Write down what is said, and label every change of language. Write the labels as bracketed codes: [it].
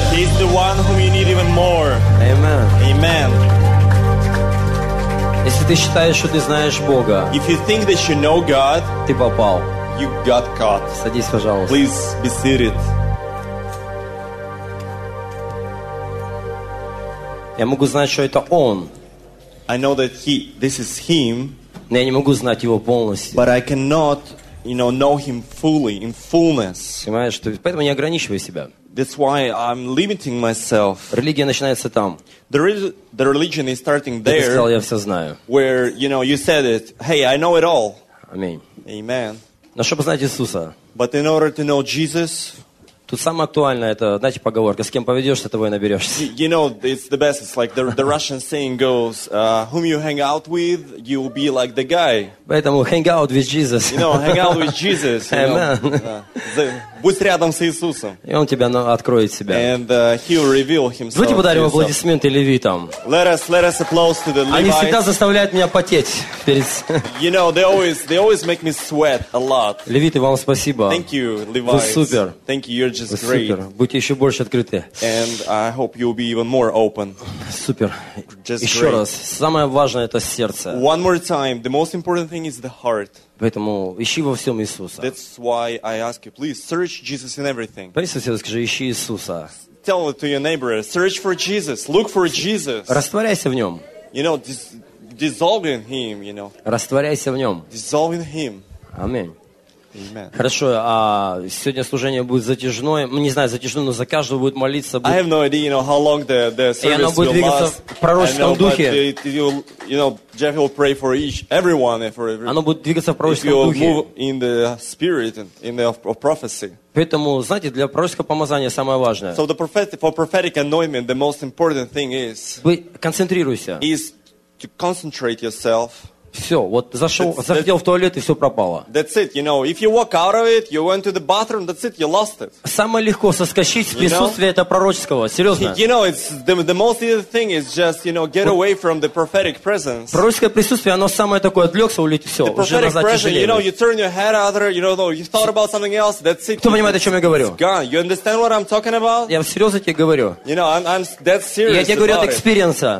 [en] He is the one whom you need even more. Amen. Amen. [ru] Если ты считаешь, что ты знаешь Бога, [en] if you think that you know God, [ru] ты попал. [en] You got caught. [ru] Садись, пожалуйста. [en] Please be seated. [ru] Я могу знать, что это Он. [en] I know that he, this is him. [ru] Но я не могу знать его полностью. [en] But I cannot, you know him fully, in fullness. [ru] Понимаешь, поэтому я ограничиваю себя. [en] That's why I'm limiting myself. [ru] Религия начинается там. [en] The religion is starting there. [ru] Я сказал, я все знаю. [en] Where, you know, you said it. Hey, I know it all. [ru] Аминь. [en] Amen. [ru] Но чтобы знать Иисуса. [en] But in order to know Jesus. [ru] Тут самое актуальное, это, знаете, поговорка, с кем поведешься, того и наберешься. [en] You know, it's the best, it's like the Russian saying goes, whom you hang out with, you will be like the guy. [ru] Поэтому [en] hang out with Jesus. You know, hang out with Jesus. Amen. [ru] Будь рядом с Иисусом. И Он тебя откроет себя. [en] And He will reveal Himself. [ru] Давайте подарим аплодисменты левитам. [en] Let us applause to the Levites. [ru] Они всегда заставляют меня потеть. Перед... [en] You know, they always make me sweat a lot. [ru] Левиты, вам спасибо. [en] Thank you, Levites. [ru] Вы супер. [en] Thank you, you're just great. [ru] Вы супер. Будьте еще больше открыты. [en] And I hope you'll be even more open. [ru] Супер. [en] Just [ru] еще [en] great. [ru] Раз. Самое важное — это сердце. [en] One more time. The most important thing is the heart. [ru] Поэтому ищи во всем Иисуса. [en] That's why I ask you, please search Jesus in everything. [ru] Скажи, ищи Иисуса. [en] Tell it to your neighbor, search for Jesus, look for Jesus. [ru] Растворяйся в нем. [en] You know, dissolve in Him, you know. [ru] Растворяйся в нем. [en] Dissolve in Him. [ru] Аминь. [en] Amen. [ru] Хорошо, а сегодня служение будет затяжное. Не знаю, затяжное, но за каждого будет молиться. Будет... [en] I have no idea, you know, how long the service will last. [ru] И оно будет двигаться [en] last. [ru] В пророческом духе. [en] Jeff will pray for each, everyone, for everyone. [ru] Оно будет двигаться в пророческом духе. [en] If you move in the spirit, in the prophecy. [ru] Поэтому, знаете, для пророческого помазания самое важное. [en] So the prophetic, for prophetic anointment, the most important thing is... [ru] Концентрируйся. [en] Is to concentrate yourself. [ru] Все, вот зашел, захотел в туалет и все пропало. [en] That's it, you know. If you walk out of it, you went to the bathroom. That's it, you lost it. [ru] Самое легко соскочить с присутствия это пророческого, серьезно. [en] You know, it's the most easy thing is just, you know, get away from the prophetic presence. [ru] Пророческое присутствие, оно самое такое, отвлекся, улетел, все, уже назад тяжелее. [en] The prophetic presence, you know, you turn your head other, you know, you thought about something else. That's it. [ru] Кто понимает, о чем я говорю? [en] It's gone. You understand what I'm talking about? [ru] Я серьезно тебе говорю. [en] You know, I'm that serious. [ru] Я тебе говорю от экспириенса.